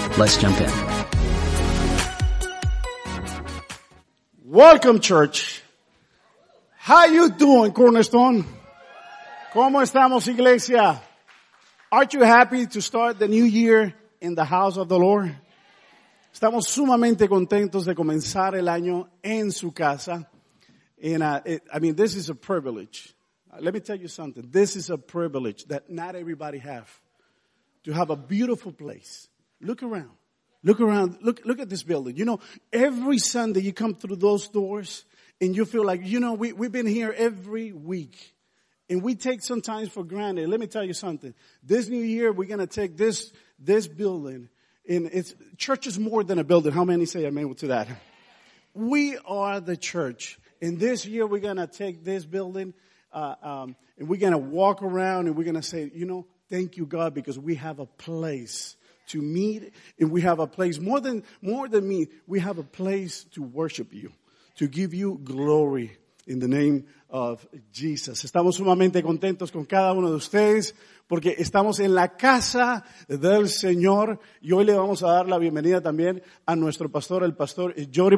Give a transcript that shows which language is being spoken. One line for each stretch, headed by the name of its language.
English: Let's jump in. Welcome, church. How you doing, Cornerstone?
Spanish: ¿Cómo estamos, iglesia?
English: Aren't you happy to start the new year in the house of the Lord?
Spanish: Estamos sumamente contentos de comenzar el año en su casa.
English: And this is a privilege. Let me tell you something. This is a privilege that not everybody have to have a beautiful place. Look around. Look at this building. You know, every Sunday you come through those doors and you feel like, you know, we've been here every week and we take some time for granted. Let me tell you something. This new year, we're going to take this building, and it's church is more than a building. How many say amen to that? We are the church. And this year, we're going to take this building and we're going to walk around and we're going to say, you know, thank you, God, because we have a place to meet and we have a place more than me. We have a place to worship you, to give you glory in the name of Jesus.
Spanish: Estamos sumamente contentos con cada uno de ustedes porque estamos en la casa del Señor. Y hoy le vamos a dar la bienvenida también a nuestro pastor, el pastor Jody.